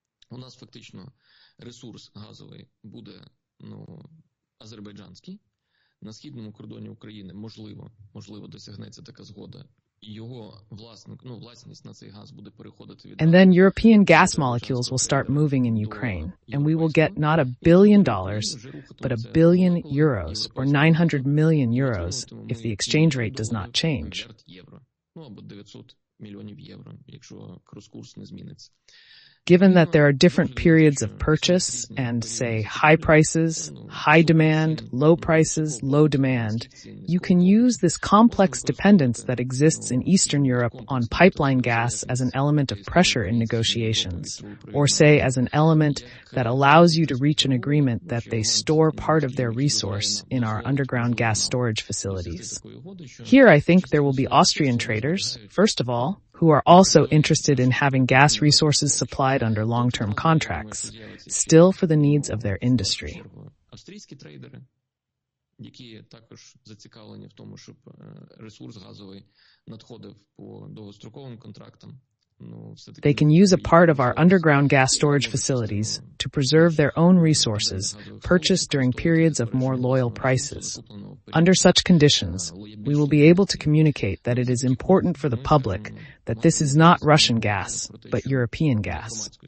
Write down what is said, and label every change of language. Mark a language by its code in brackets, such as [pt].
[uk] У нас фактично ресурс газовий буде, ну, азербайджанський. На східному кордоні України, можливо, досягнеться така згода. Його власник, ну, власність на цей газ буде переходити від. [en] And then European gas molecules will start moving in Ukraine, and we will get not $1 billion, but €1 billion, or €900 million, if the exchange rate does not change. [uk] Ну, або 900 мільйонів євро, якщо курс не зміниться. [en] Given that there are different periods of purchase and, say, high prices, high demand, low prices, low demand, you can use this complex dependence that exists in Eastern Europe on pipeline gas as an element of pressure in negotiations, or say as an element that allows you to reach an agreement that they store part of their resource in our underground gas storage facilities. Here I think there will be Austrian traders, first of all, who are also interested in having gas resources supplied under long-term contracts, still for the needs of their industry. [uk] Австрійські трейдери, які також зацікавлені в тому, щоб ресурс газовий надходив по довгостроковим контрактам. [en] They can use a part of our underground gas storage facilities to preserve their own resources purchased during periods of more loyal prices. Under such conditions, we will be able to communicate that it is important for the public that this is not Russian gas, but European gas.